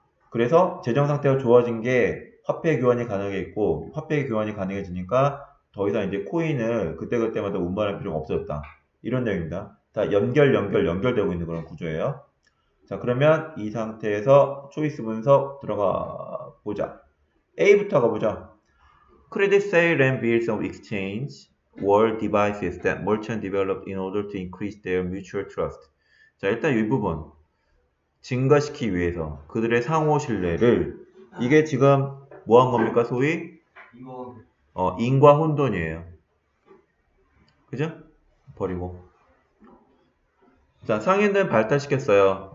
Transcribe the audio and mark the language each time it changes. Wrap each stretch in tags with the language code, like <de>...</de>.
<ko>그래서 재정 상태가 좋아진 게 화폐 교환이 가능했고, 화폐 교환이 가능해지니까 더 이상 이제 코인을 그때그때마다 운반할 필요가 없어졌다. 이런 내용입니다. 다 연결되고 있는 그런 구조예요. 자, 그러면 이 상태에서 초이스 분석 들어가 보자. A부터 가보자.</ko> <en>Credit sale and bills of exchange were devices that merchant developed in order to increase their mutual trust.</en> <ko>자, 일단 이 부분. 증가시키기 위해서 그들의 상호 신뢰를. 이게 지금 뭐한 겁니까, 소위? 인과 혼돈이에요. 그죠? 버리고. 자, 상인들은 발탁시켰어요.</ko>